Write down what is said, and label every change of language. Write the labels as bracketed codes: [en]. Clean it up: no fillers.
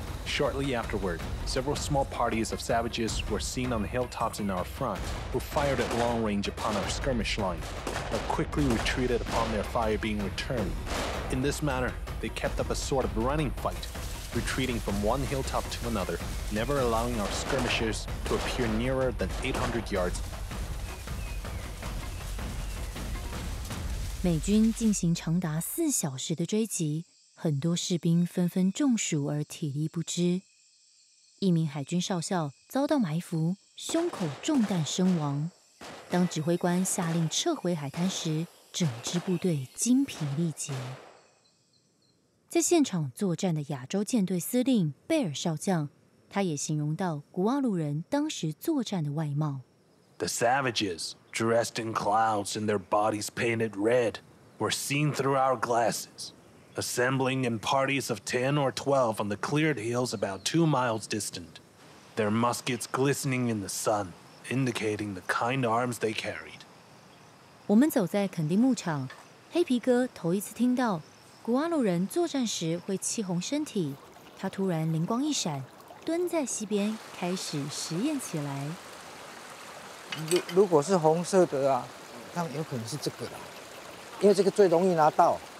[en] Shortly afterward, several small parties of savages were seen on the hilltops in our front, who fired at long range upon our skirmish line, but quickly retreated upon their fire being returned. In this manner, they kept up a sort of running fight, retreating from one hilltop to another, never allowing our skirmishers to appear nearer than 800 yards. [zh] 美军进行长达四小时的追击，很多士兵纷纷中暑而体力不支。一名海军少校遭到埋伏，胸口中弹身亡。当指挥官下令撤回海滩时，整支部队精疲力竭。在现场作战的亚洲舰队司令贝尔少将，他也形容到古瓦鲁人当时作战的外貌。 [en] The savages, dressed in clouds and their bodies painted red, were seen through our glasses, assembling in parties of 10 or 12 on the cleared hills about 2 miles distant, their muskets glistening in the sun, indicating the kind arms they carried. [zh] 我们走在肯丁牧场，黑皮哥头一次听到古瓦鲁人作战时会气红身体，他突然灵光一闪，蹲在溪边开始实验起来。如果是红色的啊，那有可能是这个啦，因为这个最容易拿到。